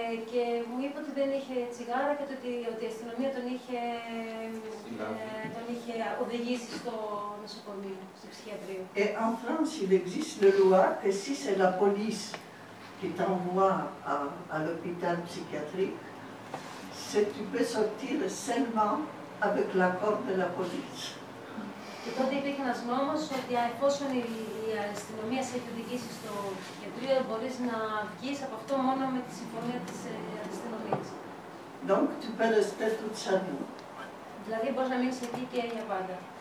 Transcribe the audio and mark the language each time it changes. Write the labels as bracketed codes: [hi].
[el] Και μου είπε ότι δεν είχε τσιγάρα και ότι, η αστυνομία τον είχε οδηγήσει στο νοσοκομείο, στο ψυχιατρίο. [fr] Et en France, il existe une loi que si c'est la police qui t'envoie à l'hôpital psychiatrique, c'est tu peux sortir seulement avec l'accord de la police. [el] Και τότε υπήρχε ένας νόμος ότι εφόσον η αστυνομία σε έχει οδηγήσει στο ψυχιατρίο, μπορείς να βγεις από αυτό μόνο με τη συμφωνία της αστυνομίας. [fr] Donc tu peux rester toute sa vie. [el] Δηλαδή μπορείς να μείνεις εκεί και για πάντα.